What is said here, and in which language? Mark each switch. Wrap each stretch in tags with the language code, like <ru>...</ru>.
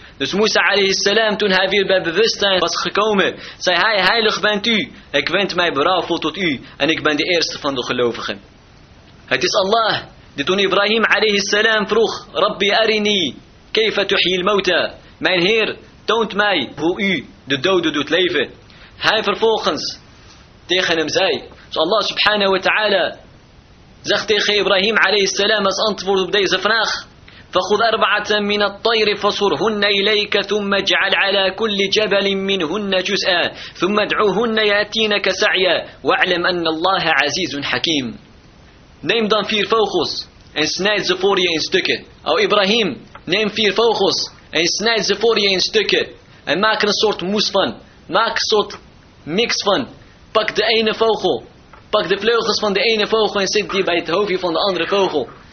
<nl>Dus Musa alayhi salam, toen hij weer bij bewustzijn was gekomen, zei hij, heilig bent u. Ik wend mij berouwvol tot u en ik ben de eerste van de gelovigen. Het is Allah die toen Ibrahim alayhi salam vroeg,</nl> <ar>Rabbi arini, kayfa tuhyil mauta.</ar> <nl>Mijn Heer, toont mij hoe u de doden doet leven. Hij vervolgens tegen hem zei, dus Allah subhanahu wa ta'ala zegt tegen Ibrahim alayhi salam als antwoord op deze vraag,</nl> <ar>فَخُذْ أَرْبَعَةً مِنَ الطَّيْرِ فَصُرْهُنَّ إِلَيْكَ ثُمَّ اجْعَلْ عَلَى كُلِّ جَبَلٍ مِّنْهُنَّ جُزْءًا ثُمَّ ادْعُهُنَّ يَأْتِينَكَ سَعْيًا وَاعْلَمْ أَنَّ اللَّهَ عَزِيزٌ حَكِيمٌ.</ar> <nl>Neem dan vier vogels en snijd ze voor je in stukken. O Ibrahim, neem vier vogels en snijd ze voor je in stukken. En maak er een soort moes van. Maak een soort mix van. Pak de ene vogel. Pak de vleugels van de ene vogel en zet die bij het hoofdje van de andere vogel.</nl>